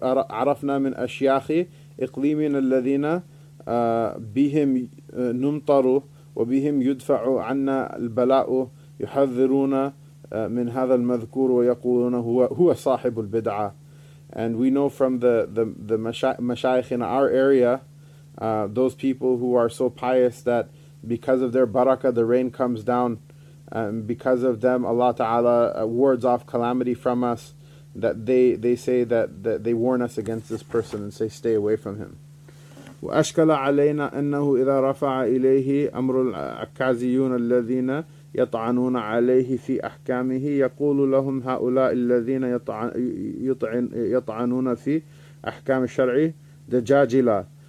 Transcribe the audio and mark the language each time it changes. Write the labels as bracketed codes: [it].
[ar] عرفنا من أشياخ إقليمنا الذين بهم نمطر وبهم يدفع عنا البلاء يحذرون من هذا المذكور ويقولون هو صاحب البدعة. [en] And we know from the mashayikh in our area, those people who are so pious that because of their barakah, the rain comes down. And because of them, Allah Ta'ala wards off calamity from us. That they say that they warn us against this person and say, stay away from him. [ar] وَأَشْكَلَ عَلَيْنَا أَنَّهُ إِذَا رَفَعَ إِلَيْهِ أَمْرُ الْعَكَّازِيُّونَ الَّذِينَ يطعنون عليه في أحكامه يقول لهم هؤلاء الذين يطعنون في أحكام الشرعي دجاجلة.